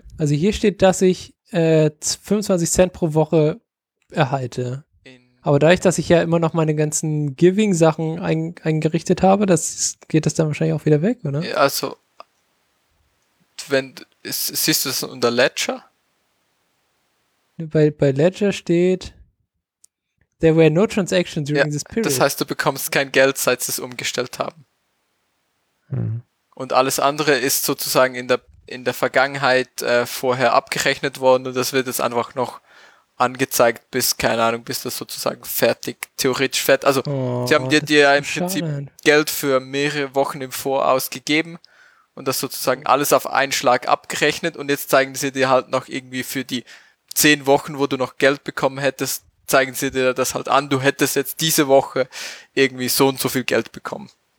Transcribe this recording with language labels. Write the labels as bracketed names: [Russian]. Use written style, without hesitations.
[German] Also hier steht, dass ich 25 Cent pro Woche erhalte. Aber dadurch, dass ich ja immer noch meine ganzen Giving-Sachen eingerichtet habe, geht das dann wahrscheinlich auch wieder weg, oder? Ja, also, siehst du das unter Ledger? Bei Ledger steht, [English] there were no transactions during this period. [German] Das heißt, du bekommst kein Geld, seit sie es umgestellt haben. Und alles andere ist sozusagen in der Vergangenheit vorher abgerechnet worden und das wird jetzt einfach noch angezeigt, bis, keine Ahnung, bis das sozusagen fertig, theoretisch fertig. Also sie haben dir ja im Prinzip Geld für mehrere Wochen im Voraus gegeben und das sozusagen alles auf einen Schlag abgerechnet und jetzt zeigen sie dir halt noch irgendwie für die 10 Wochen, wo du noch Geld bekommen hättest, zeigen sie dir das halt an, du hättest jetzt diese Woche irgendwie so und so viel Geld bekommen.